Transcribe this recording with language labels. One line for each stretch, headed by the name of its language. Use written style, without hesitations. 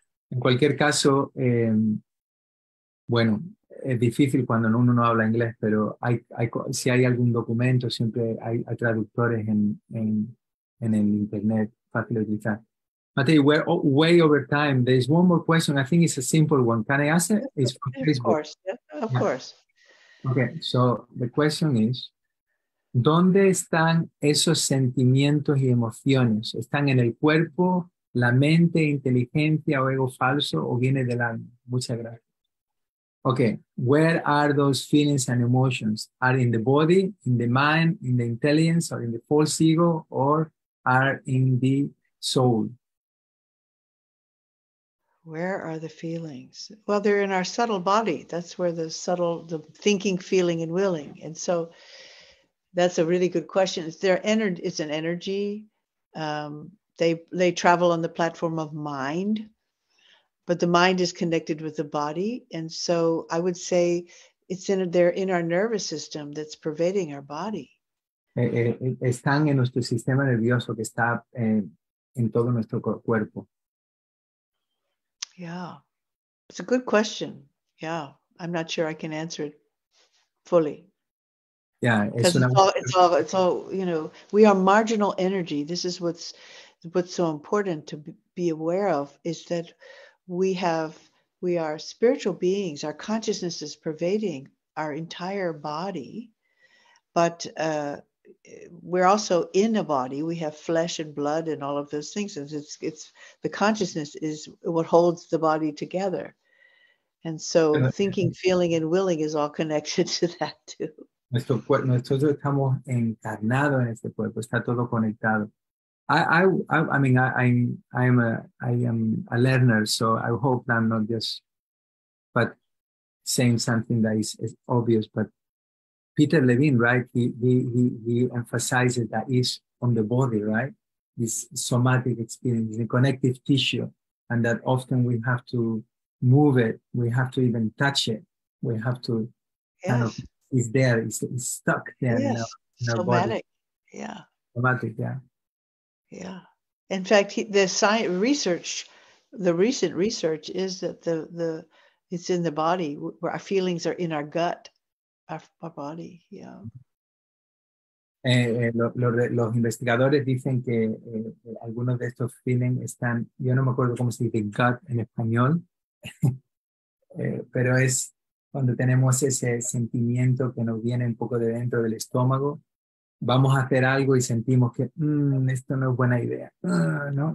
Spanish: En cualquier caso, bueno, es difícil cuando uno no habla inglés, pero si hay algún documento, siempre hay traductores en el internet, fácil de utilizar.
English: Matei, we're way over time. There is one more question. I think it's a simple one. Can I ask it? It's from Facebook. Of course. Yeah, of course. Okay, so the question is,
Spanish: ¿dónde están esos sentimientos y emociones? ¿Están en el cuerpo, la mente, inteligencia o ego falso o viene del alma? Muchas gracias.
English: Okay, where are those feelings and emotions? Are in the body, in the mind, in the intelligence or in the false ego or are in the soul? Where are the feelings? Well, they're in our subtle body. That's where the subtle, the thinking, feeling and willing. And so that's a really good question. It's an energy. They travel on the platform of mind, but the mind is connected with the body. And so I would say they're in our nervous system that's pervading our body.
Spanish: Están en nuestro sistema nervioso que está en todo nuestro cuerpo.
English: Yeah, it's a good question. Yeah, I'm not sure I can answer it fully. Yeah, it's all, you know, we are marginal energy. This is what's so important to be aware of is that we are spiritual beings. Our consciousness is pervading our entire body, but we're also in a body. We have flesh and blood and all of those things. And it's the consciousness is what holds the body together. And so thinking, feeling, and willing is all connected to that too.
Spanish: Nosotros estamos encarnados en este cuerpo, está todo conectado.
English: I am a learner, so I hope that I'm not just but saying something that is obvious, but Peter Levine, right, he emphasizes that is on the body, right? this somatic experience, the connective tissue, and that often we have to move it, we have to even touch it, we have to kind of, it's there, it's stuck there in our somatic body. Yeah. Somatic, yeah. Yeah. In fact, the science research, the recent research is that the it's in the body where our feelings are in our gut, our body, yeah.
Spanish: Los investigadores dicen que algunos de estos feelings están, yo no me acuerdo cómo se dice gut en español, pero es cuando tenemos ese sentimiento que nos viene un poco de dentro del estómago, vamos a hacer algo y sentimos que esto no es buena idea, ¿no?